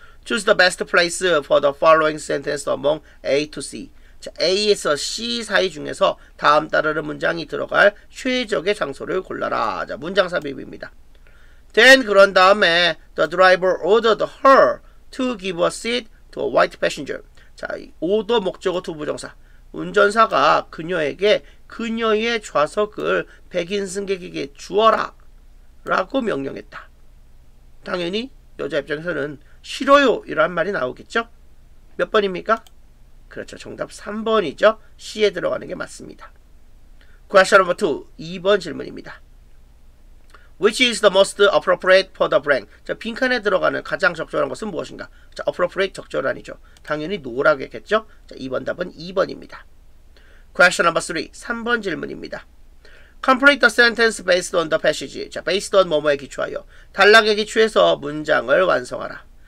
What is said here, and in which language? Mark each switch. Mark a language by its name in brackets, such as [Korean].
[English] Choose the best place for the following sentence among A to C. [Korean] 자, A에서 C 사이 중에서 다음 따르는 문장이 들어갈 최적의 장소를 골라라. 자, 문장 삽입입니다. [English] Then, [Korean] 그런 다음에 [English] the driver ordered her to give a seat to a white passenger. [Korean] 자, order 목적어 to 부정사. 운전사가 그녀에게 그녀의 좌석을 백인 승객에게 주어라 라고 명령했다. 당연히 여자 입장에서는 싫어요 이란 말이 나오겠죠? 몇 번입니까? 그렇죠. 정답 3번이죠. C에 들어가는 게 맞습니다. [English] Question number 2. [Korean] 2번 질문입니다. [English] Which is the most appropriate for the blank? [Korean] 자, 빈칸에 들어가는 가장 적절한 것은 무엇인가? 자, appropriate 적절한이죠. 당연히 노라고 했겠죠? 자, 2번 답은 2번입니다. [English] Question number 3. [Korean] 3번 질문입니다. [English] Complete the sentence based on the passage. [Korean] 자, based on 뭐뭐에 기초하여. 단락에 기초해서 문장을 완성하라.